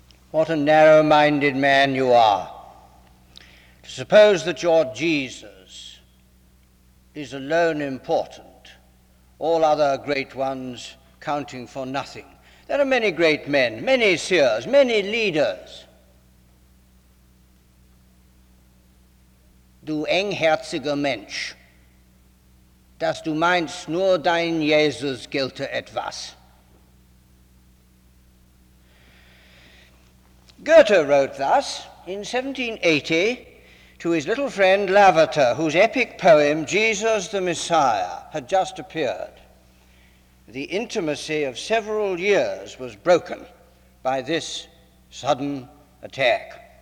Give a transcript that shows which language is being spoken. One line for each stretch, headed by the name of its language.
English: What a narrow-minded man you are to suppose that your Jesus is alone important, all other great ones counting for nothing. There are many great men, many seers, many leaders.
German: Du engherziger Mensch, dass du meinst nur dein Jesus gelte etwas.
English: Goethe wrote thus in 1780 to his little friend Lavater, whose epic poem, Jesus the Messiah, had just appeared. The intimacy of several years was broken by this sudden attack.